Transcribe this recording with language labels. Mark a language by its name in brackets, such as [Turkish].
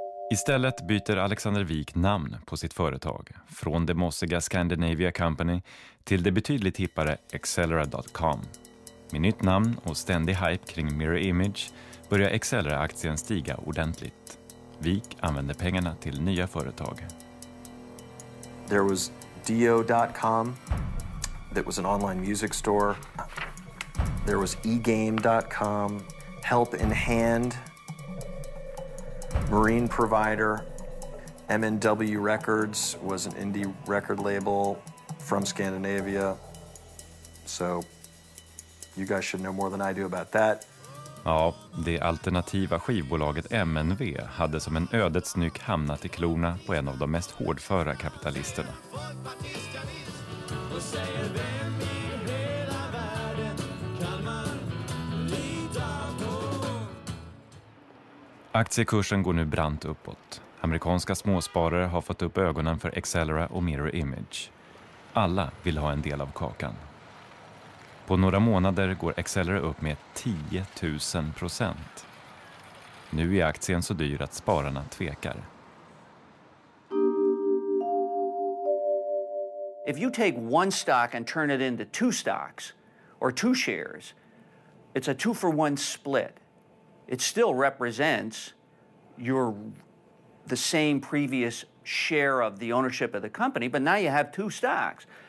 [Swedish] Istället byter Alexander Wik namn på sitt företag från det mossiga Scandinavia Company till det betydligt hippare Accelera.com. Med nytt namn och ständig hype kring Mirror Image börjar Accelera-aktien stiga ordentligt. Wik använder pengarna till nya företag. [English] There was Dio.com that was an online music store. There was eGame.com, Help in Hand, Marine Provider, MNW Records was an indie record label from Scandinavia. So, you guys should know more than I do about that. [Swedish] Ja, det alternativa skivbolaget MNV hade som en ödets nyck hamnat i klorna på en av de mest hårdföra kapitalisterna. Aktiekursen går nu brant uppåt. Amerikanska småsparare har fått upp ögonen för Accelera och Mirror Image. Alla vill ha en del av kakan. På några månader går Accelera upp med 10 000%. Nu är aktien så dyr att spararna tvekar. [English] If you take one stock and turn it into two stocks or two shares, it's a 2-for-1 split. It still represents your the same previous share of the ownership of the company, but now you have two stocks.